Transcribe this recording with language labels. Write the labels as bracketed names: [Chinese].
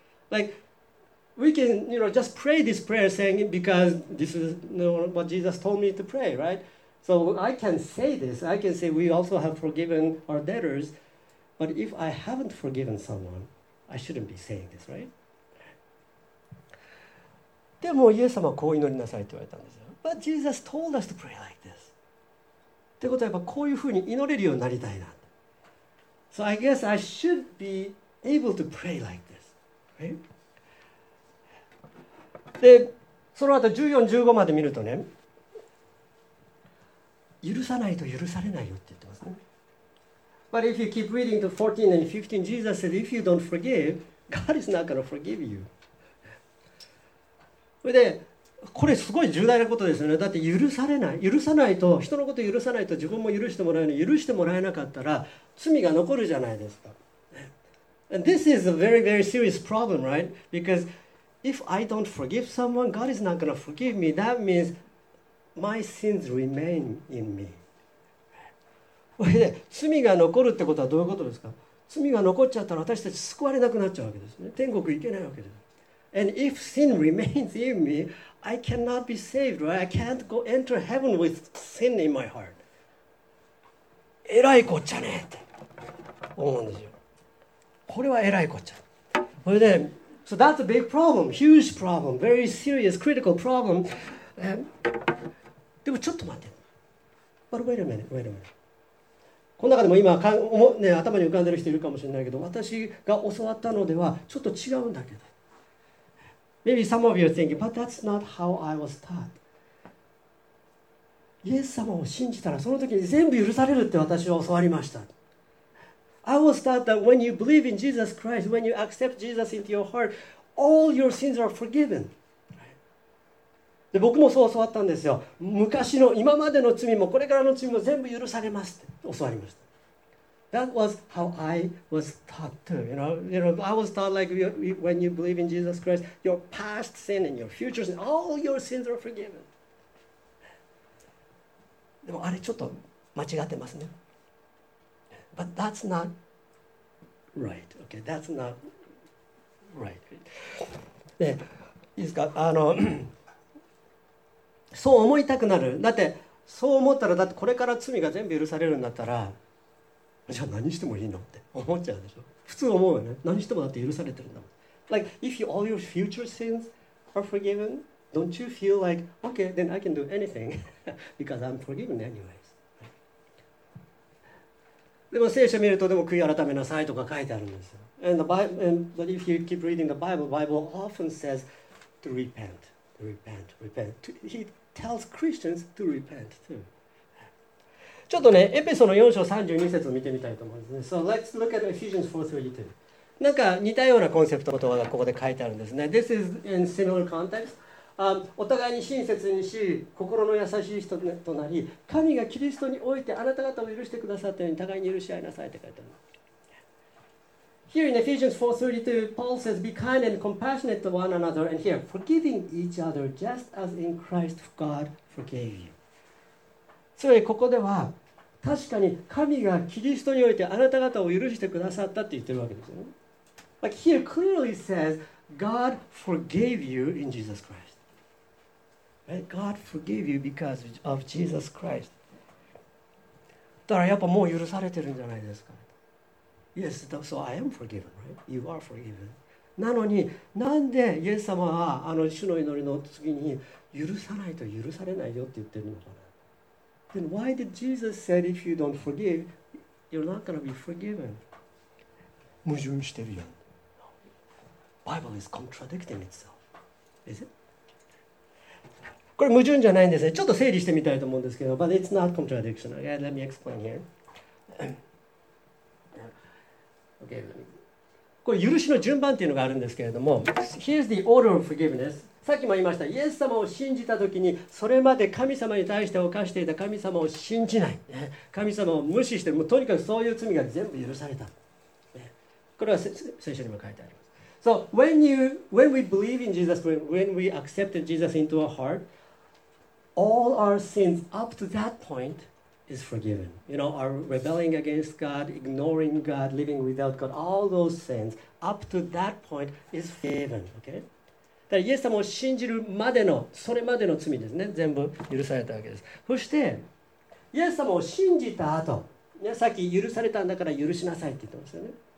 [English] Like we can, you know, just pray this prayer saying it because this is, you know, what Jesus told me to pray, right? So I can say this. I can say we also have forgiven our debtors. But if I haven't forgiven someone, I shouldn't be saying this, right? [Japanese] でもイエス様はこう祈りなさいって言われたんですよ。 [English] But Jesus told us to pray like this. [Japanese] ってことはやっぱこういうふうに祈れるようになりたいな。 [English] So I guess I should be able to pray like this, right? [Japanese] で、その後14、15まで見るとね、許さないと許されないよって言ってますね。 [English] But if you keep reading to 14 and 15, Jesus said, "If you don't forgive, God is not going to forgive you." [Japanese] それで、これすごい重大なことですよね。だって許されない、許さないと、人のこと許さないと自分も許してもらえない。許してもらえなかったら罪が残るじゃないですか。 [English] And this is a very, very serious problem, right? Because if I don't forgive someone, God is not going to forgive me. That means... My sins remain in me. [Japanese] これで罪が残るってことはどういうことですか？罪が残っちゃったら私たち救われなくなっちゃうわけですね。天国行けないわけです。 [English] And if sin remains in me, I cannot be saved, right? I can't go enter heaven with sin in my heart. [Japanese] えらいこっちゃねって思うんですよ。これはえらいこっちゃ。これで、 [English] So that's a big problem, huge problem, very serious, critical problem. [Japanese] でもちょっと待って。 [English] But wait a minute, wait a minute. [Japanese] この中でも今かん、ね、頭に浮かんでる人いるかもしれないけど、私が教わったのではちょっと違うんだけど。 [English] Maybe some of you are thinking, but that's not how I was taught. [Japanese] イエス様を信じたらその時に全部許されるって私は教わりました。 [English] I was taught that when you believe in Jesus Christ, when you accept Jesus into your heart, all your sins are forgiven. [Japanese] で僕もそう教わったんですよ。昔の今までの罪もこれからの罪も全部許されますって教わりました。 [English] That was how I was taught too. You know, I was taught like when you believe in Jesus Christ, your past sin and your future sin, all your sins are forgiven. [Japanese] でもあれちょっと間違ってますね。 [English] But that's not Right. Okay. That's not right. [Japanese] ね、いいですか。あのそう思いたくなる。だってそう思ったら、だってこれから罪が全部許されるんだったら、じゃあ何してもいいのって思っちゃうでしょ。普通思うよね。何してもだって許されてるんだもん。 [English] Like if you, all your future sins are forgiven, don't you feel like okay, then I can do anything because I'm forgiven anyway. [Japanese] でも聖書見るとでも悔い改めなさいとか書いてあるんですよ。 [English] And the Bible, and but if you keep reading the Bible, Bible often says to repent, repent, repent. He tells Christians to repent too. [Japanese] ちょっとね、エペソの4章32節を見てみたいと思うんですね。 [English] So let's look at Ephesians 4:32. [Japanese] なんか似たようなコンセプトの言葉がここで書いてあるんですね。 [English] This is in similar context. [Japanese] お互いに親切にし、心の優しい人となり、神がキリストにおいてあなた方を許してくださったように互いに許し合いなさいと書いてある。 [English] Here in Ephesians 4:32, Paul says, Be kind and compassionate to one another, and here, forgiving each other just as in Christ God forgave you. [Japanese] つまりここでは、確かに神がキリストにおいてあなた方を許してくださったと言ってるわけですよね。 [English] Like here clearly says, God forgave you in Jesus Christ. God forgave you because of Jesus Christ. [Japanese] だからやっぱもう許されてるんじゃないですか。 [English] Yes, so I am forgiven, right? You are forgiven. [Japanese] なのになんでイエス様はあの主の祈りの次に許さないと許されないよって言ってるのかな。 [English] Then why did Jesus say if you don't forgive, you're not going to be forgiven? [Japanese] 矛盾してるよ。 [English] Bible is contradicting itself. Is it? [Japanese] これ矛盾じゃないんですね。ちょっと整理してみたいと思うんですけど、 [English] But it's not contradiction. Okay, let me explain here. Okay, let me... [Japanese] これ許しの順番っていうのがあるんですけれども、 [English] Here's the order of forgiveness. [Japanese] さっきも言いました、イエス様を信じたときに、それまで神様に対して犯していた神様を信じない。神様を無視して、もうとにかくそういう罪が全部許された。これは聖書にも書いてあります。 [English] So, when we believe in Jesus, when we accepted Jesus into our heart,All our sins up to that point is forgiven. You know, our rebelling against God, ignoring God, living without God, all those sins up to that point is forgiven. Okay? [Japanese] だからイエス様を信じるまでの、それまでの罪ですね。全部許されたわけです。そして、イエス様を信じた後、ね、さっき許されたんだから許しなさいって言ってますよね。